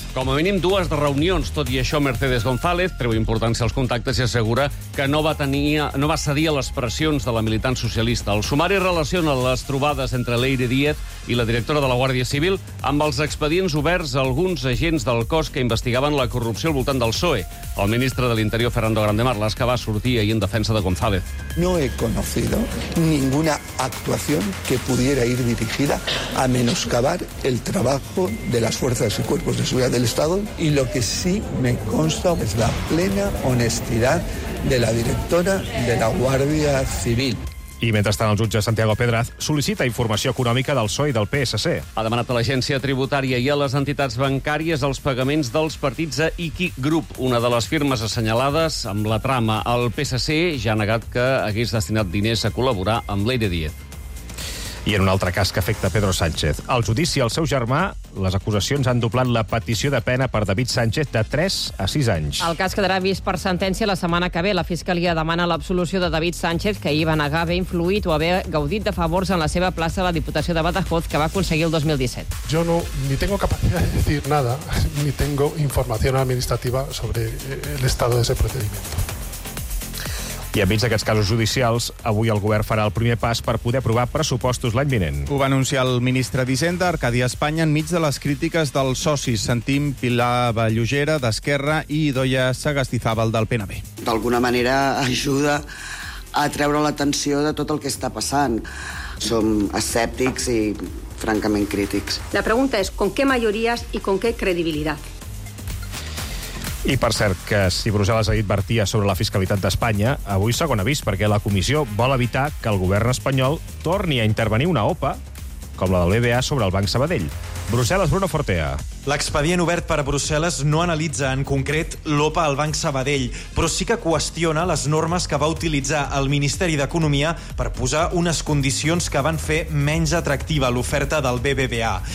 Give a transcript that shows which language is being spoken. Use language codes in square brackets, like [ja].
[ca] Com a mínim 2 reunions, tot i això Mercedes González treu importància als contactes i assegura que no va cedir a les pressions de la militant socialista. El sumari relaciona les trobades entre Leire Díaz i la directora de la Guàrdia Civil amb els expedients oberts a alguns agents del cos que investigaven la corrupció al voltant del PSOE. El ministre de l'Interior, Fernando Grande Marlas, que va sortir ahir en defensa de González. [es] No he conocido ninguna actuación que pudiera ir dirigida a menoscabar el trabajo de las fuerzas y cuerpos de seguridad del Estado. Y lo que sí me consta es la plena honestidad de la directora de la Guardia Civil. [ca] I mentrestant, el jutge Santiago Pedraz sol·licita informació econòmica del PSOE i del PSC. Ha demanat a l'Agència Tributària i a les entitats bancàries els pagaments dels partits a Iqui Group, una de les firmes assenyalades amb la trama. El PSC ja ha negat que hagués destinat diners a col·laborar amb Leire Díaz. I en un altre cas que afecta Pedro Sánchez. Al judici, el seu germà, les acusacions han doblat la petició de pena per David Sánchez de 3 a 6 anys. El cas quedarà vist per sentència la setmana que ve. La fiscalia demana l'absolució de David Sánchez, que ahir va negar haver influït o haver gaudit de favors en la seva plaça a la Diputació de Badajoz, que va aconseguir el 2017. [es] Yo no, ni tengo capacidad de decir nada, ni tengo información administrativa sobre el estado de ese procedimiento. [ca] I enmig d'aquests casos judicials, avui el govern farà el primer pas per poder aprovar pressupostos l'any vinent. Ho va anunciar el ministre d'Hisenda, Arcadi Espanya, enmig de les crítiques dels socis. Sentim Pilar Vallugera, d'Esquerra, i Idoia Sagastizábal, del PNB. D'alguna manera ajuda a treure l'atenció de tot el que està passant. Som escèptics i francament crítics. La pregunta és, [es] ¿con qué mayorías y con qué credibilidad? [ca] I, per cert, que si Brussel·les advertia sobre la fiscalitat d'Espanya, avui segon avís, perquè la comissió vol evitar que el govern espanyol torni a intervenir una OPA, com la de l'EBA sobre el Banc Sabadell. Brussel·les, Bruno Fortea. L'expedient obert per a Brussel·les no analitza en concret l'OPA al Banc Sabadell, però sí que qüestiona les normes que va utilitzar el Ministeri d'Economia per posar unes condicions que van fer menys atractiva l'oferta del BBVA.